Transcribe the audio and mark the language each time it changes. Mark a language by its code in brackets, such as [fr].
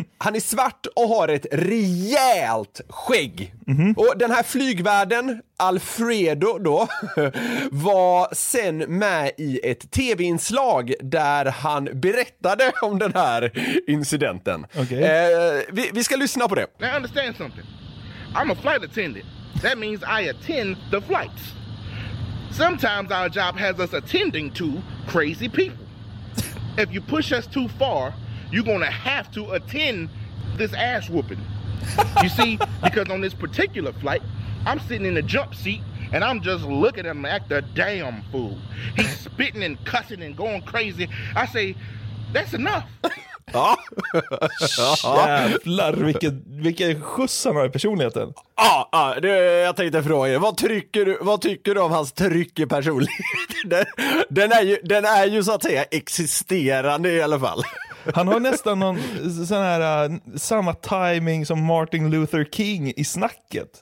[sv] Han är svart och har ett rejält skägg. Mm. Och den här flygvärden, Alfredo då, var sen med i ett tv-inslag där han berättade om den här incidenten. Okay. Vi ska lyssna på det. [en] Now understand something. I'm a flight attendant. That means I attend the flights. Sometimes our job has us attending to crazy people. If you push us too far, you're gonna have to attend this ass whooping. You see, because on this particular flight, I'm sitting in the jump seat and I'm just looking at him like the damn fool. He's spitting and cussing and going crazy. I say, that's enough. [sv] Ja. Jävlar, vilken skjuts han har i personligheten. Ja, jag tänkte fråga er, vad tycker du om hans tryck i personlighet? Den är ju så att säga existerande i alla fall. Han har nästan någon sån här samma timing som Martin Luther King i snacket.